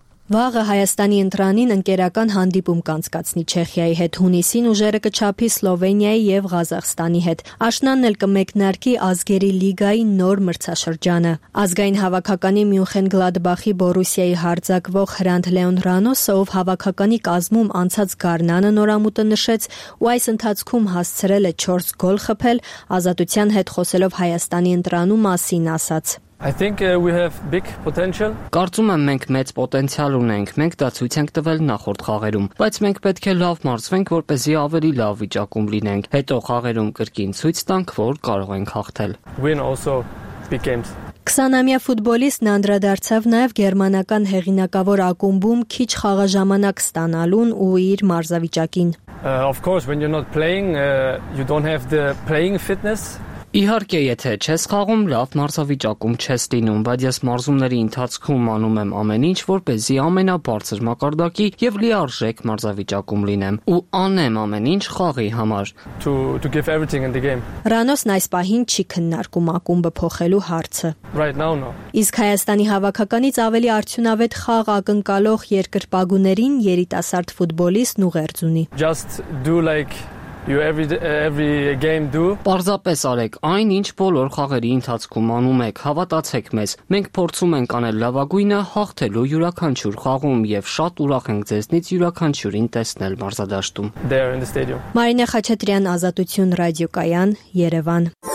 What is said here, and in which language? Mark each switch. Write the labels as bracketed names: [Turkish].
[Armenian] Վաղը Հայաստանի ընտրանին ընկերական հանդիպում կանցկացնի Չեխիայի հետ, հունիսին ուժերը կչափի Սլովենիայի եւ Ղազախստանի հետ։ Աշնանն էլ կմեկնարկի ազգերի լիգայի նոր մրցաշրջանը։ Ազգային հավաքականի Մյունխեն Գլադբախի Բորուսիայի հարձակվող Հրանտ Լեոն Ռանոսը, ով հավաքականի կազմում անցած գարնանը նորամուտը նշեց ու այս ընթացքում հասցրել է 4 գոլ խփել, Ազատության հետ խոսելով Հայաստանի ընտրանու մասին ասաց. [English] I think we have big potential. [Armenian] Կարծում եմ մենք մեծ պոտենցիալ ունենք, մենք դա ցույց ենք տվել նախորդ խաղերում, բայց մենք պետք է լավ մարզվենք, որպեսզի ավելի լավ վիճակում լինենք, հետո խաղերում կրկին ցույց տանք, որ կարող ենք հաղթել. [English] Win also big games. [Armenian] 20-ամյա ֆուտբոլիստն անդրադարձավ նաև գերմանական հեղինակավոր ակումբում քիչ խաղաժամանակ ստանալուն ու իր մարզավիճակին. [English] Of course, when you're not playing, you don't have the playing fitness. [Armenian] Իհարկե, եթե չես խաղում, լավ մարզավիճակում չես լինում, բայց ես մարզումների ընթացքում անում եմ ամեն ինչ, որպեսզի ամենաբարձր մակարդակի և լիարժեք մարզավիճակում լինեմ ու անեմ ամեն ինչ խաղի համար. [English] To give everything in the game. [Armenian] Ռանոսն այս պահին չի քննարկում ակումբը փոխելու հարցը. [English] Right now no. [Armenian] Իսկ Հայաստանի հավաքականից ավելի արդյունավետ խաղ ակնկալող երկրպագուներին երիտասարդ ֆուտբոլիստն ուղերձ ունի. [English] Just do like you every game do. [Armenian] Պարզապես արեք այն, ինչ բոլոր խաղերի ընթացքում անում եք, հավատացեք մեզ, մենք փորձում ենք անել լավագույնը հաղթելու յուրաքանչյուր խաղում և շատ ուրախ ենք ձեզնից յուրաքանչյուրին տեսնել մարզադաշտում. [English] There in the stadium. [Armenian] Մարինե Խաչատրյան, Ազատություն ռադիոկայան, Երևան.